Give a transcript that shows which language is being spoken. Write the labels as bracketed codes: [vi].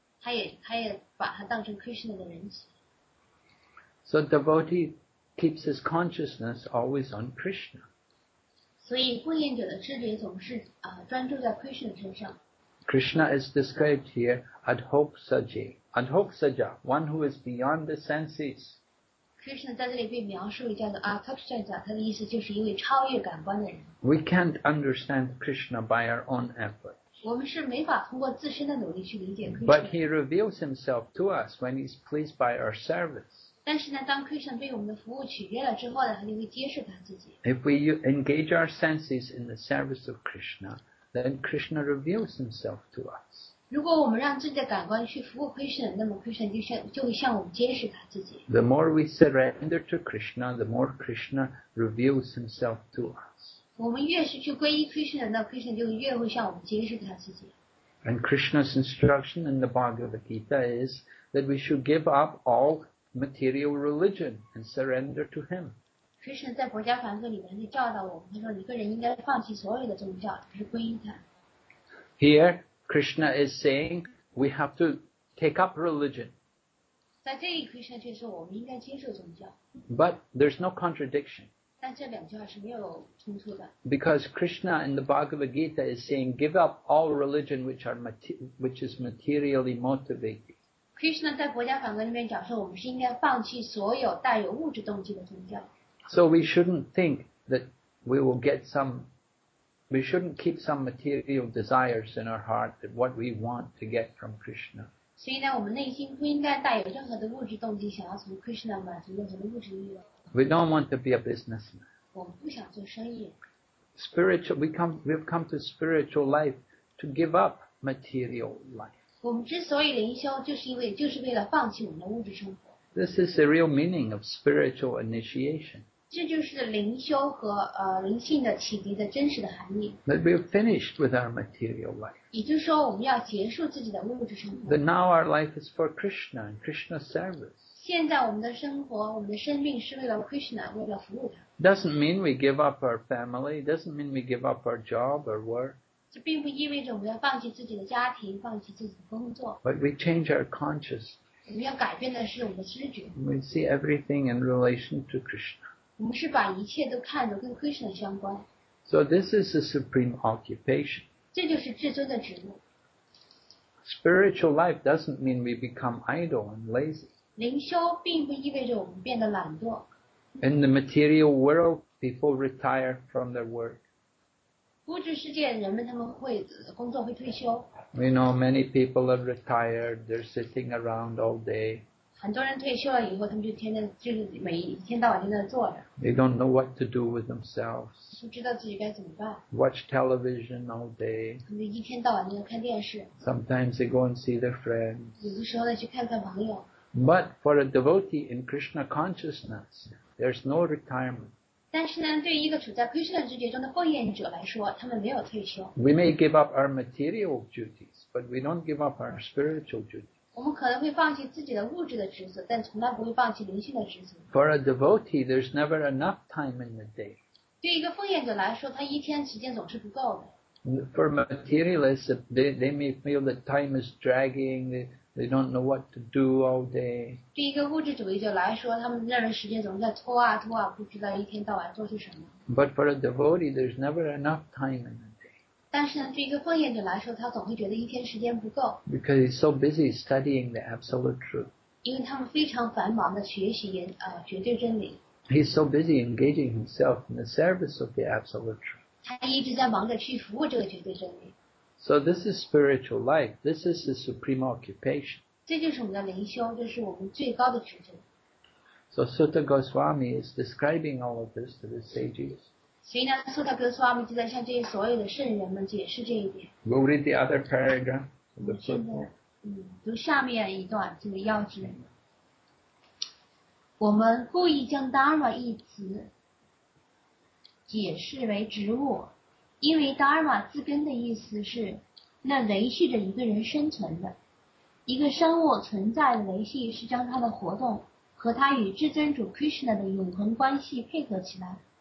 [zh] 而当奉献者很开心的时候，他也把它当成 Krishna 的恩赐。 [en] So devotee keeps his consciousness always on Krishna. [zh] 所以奉献者的知觉总是专注在 Krishna 身上。 [en] Krishna is described here Adhoksaji. Adhoksaja, one who is beyond the senses. [zh] Krishna 在这里被描述叫做 Adhoksaja, 他的意思就是一位超越感官的人。 [en] We can't understand Krishna by our own efforts. [zh] 我们是没法通过自身的努力去理解 Krishna. [en] But he reveals himself to us when he's pleased by our service. [zh] 但是呢，当 Krishna 对我们的服务取悦了之后呢，他就会揭示他自己。 [en] If we engage our senses in the service of Krishna, then Krishna reveals himself to us. [zh] 如果我们让自己的感官去服务 Krishna, 那么 Krishna 就向我们揭示他自己。 [en] The more we surrender to Krishna, the more Krishna reveals himself to us. [zh] 我们越是去皈依 Krishna, 那 Krishna 就越会向我们揭示他自己。 [en] And Krishna's instruction in the Bhagavad Gita is that we should give up all material religion and surrender to him. [zh] Krishna 在《国家梵歌》里面就教导我们，他说一个人应该放弃所有的宗教，而是皈依他。 [en] Here, Krishna is saying we have to take up religion. [zh] 在这里 ，Krishna 却说我们应该接受宗教。 [en] But there's no contradiction. [zh] 但这两句话是没有冲突的。 [en] Because Krishna in the Bhagavad Gita is saying give up all religion which is materially motivated. [zh] Krishna 在《国家梵歌》里面讲说我们是应该放弃所有带有物质动机的宗教。 [en] So we shouldn't think that we will get some, we shouldn't keep some material desires in our heart that what we want to get from Krishna. [zh] 所以呢，我们内心不应该带有任何的物质动机，想要从 Krishna 满足任何的物质欲望。 [en] We don't want to be a businessman. [zh] 我们不想做生意。 [en] Spiritual, we've come to spiritual life to give up material life. [zh] 我们之所以灵修，就是为了放弃我们的物质生活。 [en] This is the real meaning of spiritual initiation. [zh] 这就是灵修和灵性的启迪的真实的含义。 [en] That we have finished with our material life. [zh] 也就是说，我们要结束自己的物质生活。 [en] That now our life is for Krishna and Krishna's service. [zh] 现在我们的生活，我们的生命是为了 Krishna， 为了服务他。 [en] Doesn't mean we give up our family. Doesn't mean we give up our job or work. [zh] 这并不意味着我们要放弃自己的家庭，放弃自己的工作。 [en] But we change our consciousness. [zh] 我们要改变的是我们的知觉。 [en] We see everything in relation to Krishna. [zh] 我们是把一切都看得跟 Krishna 相关。 [en] So this is the supreme occupation. [zh] 这就是至尊的职务。 [en] Spiritual life doesn't mean we become idle and lazy. [zh] 灵修并不意味着我们变得懒惰。 [en] In the material world, people retire from their work. [zh] 物质世界人们他们会工作会退休。 [en] We know many people are retired. They're sitting around all day. [zh] 很多人退休了以后，他们就天天就是每一天到晚在那坐着。 [en] They don't know what to do with themselves. [zh] 不知道自己该怎么办。 [en] Watch television all day. [zh] 他们一天到晚在那看电视。 [en] Sometimes they go and see their friends. [zh] 有的时候呢，去看看朋友。 [en] But for a devotee in Krishna consciousness, there's no retirement. [zh] 但是呢，对于一个处在 Krishna 知觉中的奉献者来说，他们没有退休。 [en] We may give up our material duties, but we don't give up our spiritual duties. [zh] 我们可能会放弃自己的物质的职责，但从来不会放弃灵性的职责。 [en] For a devotee, there's never enough time in the day. [zh] 对一个奉献者来说，他一天时间总是不够的。 [en] For materialists, they may feel that time is dragging. They don't know what to do all day. [zh] 对一个物质主义者来说，他们认为时间总在拖啊拖啊，不知道一天到晚做些什么。 [en] But for a devotee, there's never enough time in the day. [zh] 但是呢，对一个奉献者来说，他总会觉得一天时间不够。 [en] Because he's so busy studying the absolute truth. [zh] 因为他们非常繁忙的学习绝对真理。 [en] He's so busy engaging himself in the service of the absolute truth. [zh] 他一直在忙着去服务这个绝对真理。 [en] So this is spiritual life. This is the supreme occupation. [zh] 这就是我们的灵修，这是我们最高的职责。 [en] So Sutta Goswami is describing all of this to the sages. [zh] 所以呢，苏达格斯瓦米就在向这些所有的圣人们解释这一点。 [en] Go read the other paragraph of the sutta. [zh] 读下面一段这个要旨。我们故意将 dharma 一词解释为植物，因为 dharma 字根的意思是那维系着一个人生存的，一个生物存在的维系是将它的活动和它与至尊主 Krishna 的永恒关系配合起来。